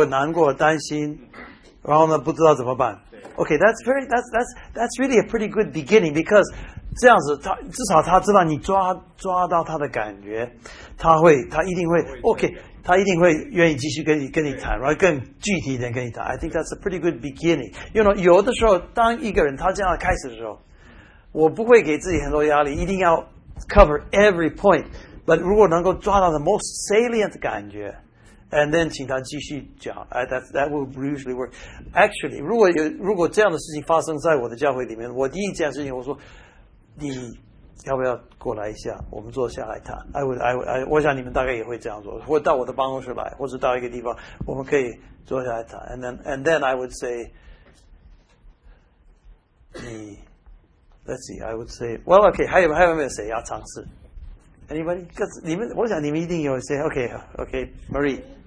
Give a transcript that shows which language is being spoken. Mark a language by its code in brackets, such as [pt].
[zh] 哦，难过，担心，然后呢，不知道怎么办。 [en] OK， that's really a pretty good beginning because [zh] 这样子他，至少他知道你抓到他的感觉，他一定会 OK。他一定会愿意继续跟你谈，然后更具体一点跟你谈。 [en] I think that's a pretty good beginning. You know， [zh] 有的时候当一个人他这样开始的时候，我不会给自己很多压力，一定要 [en] cover every point。 But [zh] 如果能够抓到 [en] the most salient [zh] 感觉 [en] ，and then [zh] 请他继续讲 [en] ，that will usually work. Actually， [zh] 如果这样的事情发生在我的教会里面，我第一件事情我说，你要不要过来一下？我们坐下来谈。 [en] I [zh] 我想你们大概也会这样做，或到我的办公室来，或者到一个地方，我们可以坐下来谈。 [en] And then I would say， let's see， I would say， well， okay， [zh] 还有没有谁要尝试？ [en] Anybody？ [zh] 各自你们，我想你们一定有一些。 [en] Okay， okay， [zh] Marie。